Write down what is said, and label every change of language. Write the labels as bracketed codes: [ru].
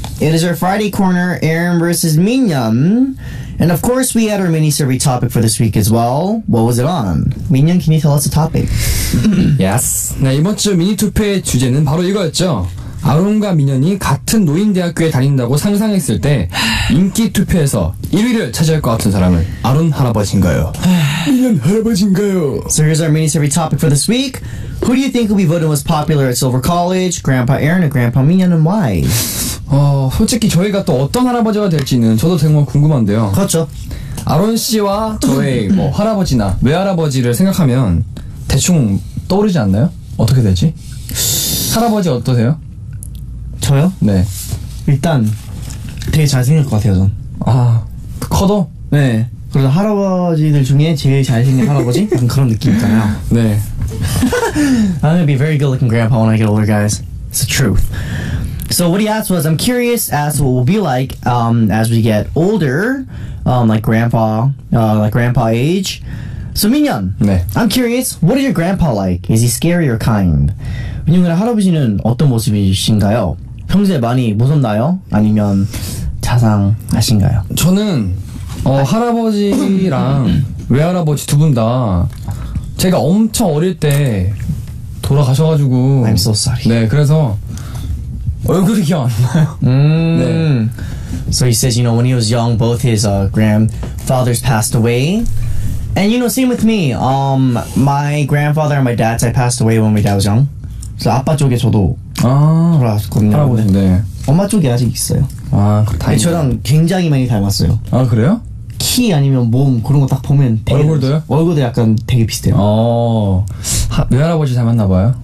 [en] It is our Friday corner, Aaron versus Minyoung. And of course, we had our mini survey topic for this week as well. What was it on? Minyoung, can you tell us the topic? Yes. [ko] 네, 이번 주 미니 투표의 주제는 바로 이거였죠. 아론과 민현이 같은 노인대학교에 다닌다고 상상했을 때 인기 투표에서 1위를 차지할 것 같은 사람은 아론 할아버지인가요? 민현 할아버지인가요? [en] So here's our mini survey topic for this week. Who do you think will be voted most popular at Silver College? Grandpa Aaron or Grandpa 민현 and why? [ko] 솔직히 저희가 또 어떤 할아버지가 될지는 저도 정말 궁금한데요. 그렇죠. 아론 씨와 저의 뭐 할아버지나 외할아버지를 생각하면 대충 떠오르지 않나요? 어떻게 되지? 할아버지 어떠세요? 저요? 네. 일단 되게 잘생길 것 같아요, 전. 아, 커도? 네. 그래서 할아버지들 중에 제일 잘생긴 할아버지? 약간 그런 느낌 있잖아요. 네. [en] I'm gonna be a very good looking grandpa when I get older, guys. It's the truth. So what he asked was, I'm curious as to what we'll be like as we get older, like grandpa age. So, Minyeon. [ko] 네. [en] I'm curious, what is your grandpa like? Is he scary or kind? [ko] 민영이랑 할아버지는 어떤 모습이신가요? 평소에 많이 무섭나요? 아니면 자상하신가요? 저는 할아버지랑 외할아버지 두 분 다 제가 엄청 어릴 때 돌아가셔가지고 [en] I'm so sorry. [ko] 네, 그래서 얼굴이 기억 안 나요. 네. [en] So he says, you know, when he was young, both his grandfathers passed away. And you know, same with me. My grandfather and my dad, I passed away when my dad was young. [ko] 그래서 아빠 쪽에 저도 돌아왔거든요. 할아버지, 네. 엄마 쪽에 아직 있어요. 아, 그렇다. 저랑 굉장히 많이 닮았어요. 아, 그래요? 키 아니면 몸 그런 거 딱 보면 얼굴도요? 얼굴도 약간 되게 비슷해요. 외할아버지 닮았나 봐요?